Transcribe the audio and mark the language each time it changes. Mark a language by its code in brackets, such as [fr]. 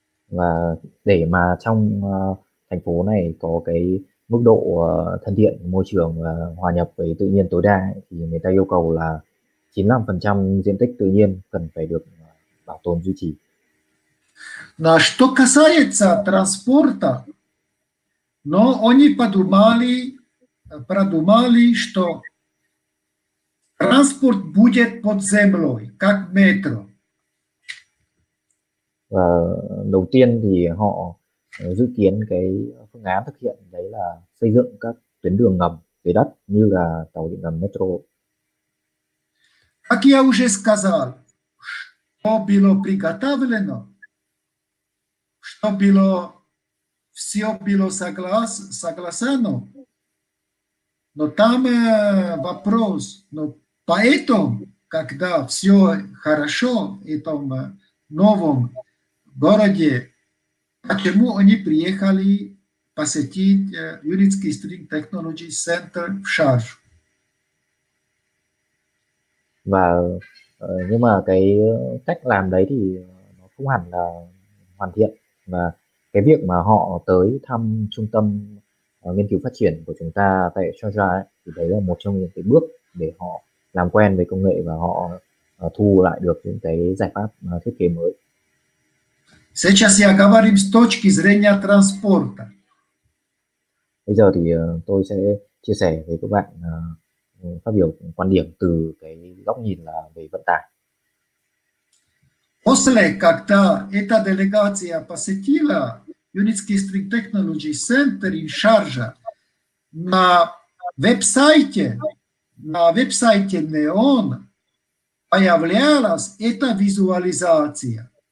[vi] Và để mà trong thành phố này có cái mức độ thân thiện môi trường và hòa nhập với tự nhiên tối đa ấy, thì người ta yêu cầu là 95% diện tích tự nhiên cần phải được bảo tồn duy trì. [ru] Да, что касается транспорта, но они продумали, что транспорт будет под землей, как метро. [vi] Và đầu tiên thì họ dự kiến cái phương án thực hiện đấy là xây dựng các tuyến đường ngầm dưới đất như là tàu điện ngầm metro. [ru] Как я уже сказал, что было приготовлено, что было, все было согласно, но там вопрос, но поэтому, когда все хорошо в этом новом городе, почему они приехали посетить Юридический String Technology Center в Шарж? [vi] Và nhưng mà cái cách làm đấy thì nó không hẳn là hoàn thiện, và cái việc mà họ tới thăm trung tâm nghiên cứu phát triển của chúng ta tại Georgia ấy, thì đấy là một trong những cái bước để họ làm quen với công nghệ và họ thu lại được những cái giải pháp thiết kế mới. [ru] Сейчас я говорю с точки зрения транспорта. [vi] Bây giờ thì tôi sẽ chia sẻ với các bạn phát biểu quan điểm từ cái góc nhìn là về vận tải. [ru] После когда эта делегация посетила Юридический String Technology Center in Sharjah, на веб-сайте Neon появлялась эта визуализация.